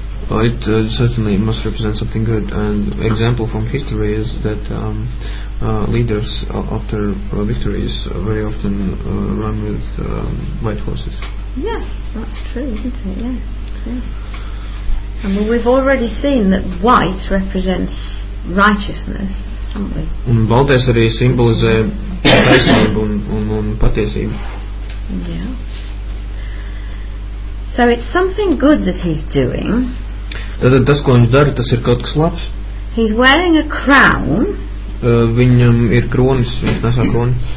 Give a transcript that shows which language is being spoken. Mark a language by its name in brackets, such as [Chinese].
[English] It certainly must represent something good. And example from history is that leaders after victories very often run with white horses. Yes, that's true, isn't it? Yes. And well, we've already seen that white represents righteousness, haven't we? [Latvian] Un baltais arī simbolizē taisnību un patiesību. [English] Yeah. So it's something good that he's doing. [Latvian] Tātad tas, ko viņš dara, tas ir kaut kas labs. [English] He's wearing a crown. [Latvian] Viņam ir kronis, viņš nesā kroni.